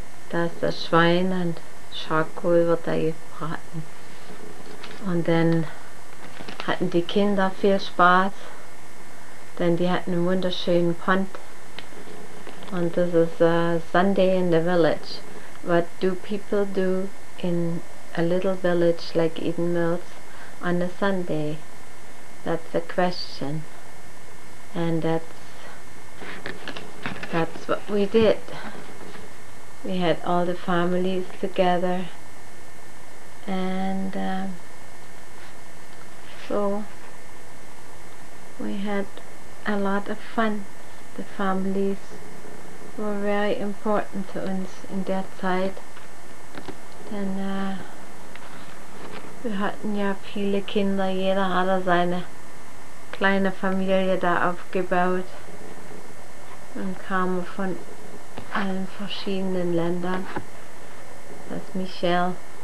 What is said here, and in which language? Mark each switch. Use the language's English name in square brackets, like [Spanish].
[German] Da ist das Schwein und Charcoal wird da gebraten. Und dann hatten die Kinder viel Spaß, denn die hatten einen wunderschönen Pond. Und das ist Sunday in the Village. [English] What do people do in a little village like Eden Mills on a Sunday? That's a question. And that's what we did. We had all the families together. And so we had a lot of fun. The families were very important to us in that Zeit. [German] Denn wir hatten ja viele Kinder, jeder hatte seine kleine Familie da aufgebaut und kam von allen verschiedenen Ländern. Das ist Michelle.